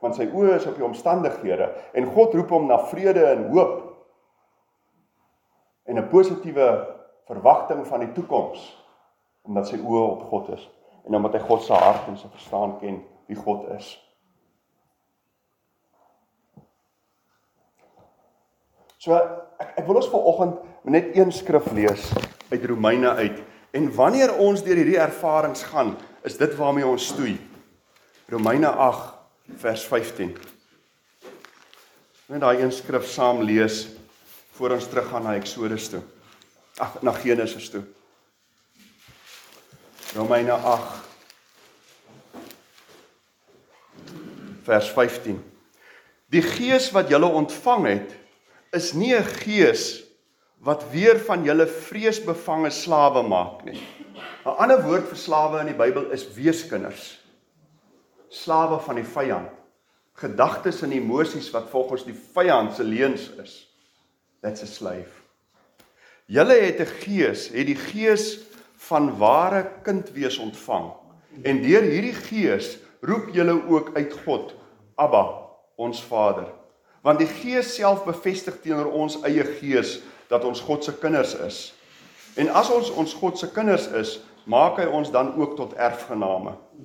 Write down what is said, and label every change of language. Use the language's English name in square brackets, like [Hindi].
[Afrikaans] want sy oë is op die omstandighede en God roep hom na vrede en hoop en 'n positiewe verwagting van die toekoms omdat sy oë op God is en omdat hy God se hart en sy verstaan ken wie God is. So ek wil ons vanoggend net een skrif lees uit Romeine uit en wanneer ons deur hierdie ervarings gaan, is dit waarmee ons stoei. Romeine 8 vers 15. Net daai een skrif saam lees voor ons teruggaan na Eksodus toe. Ag, na Genesis toe. Romeine 8 vers 15. Die gees wat julle ontvang het, is nie 'n gees wat weer van julle vreesbevange slawe maak nie. 'n Ander woord vir slawe in die Bybel is weeskinders. Slawe van die vyand. Gedagtes en emosies wat volgens die vyand se leuns is. [English] That's a slave. [Afrikaans] Julle het 'n gees, het die gees van ware kindwees ontvang. En deur hierdie gees roep julle ook uit God, Abba, ons Vader. Want die gees self bevestig teenoor ons eie gees dat ons God se kinders is. En as ons God se kinders is, maak hy ons dan ook tot erfgename.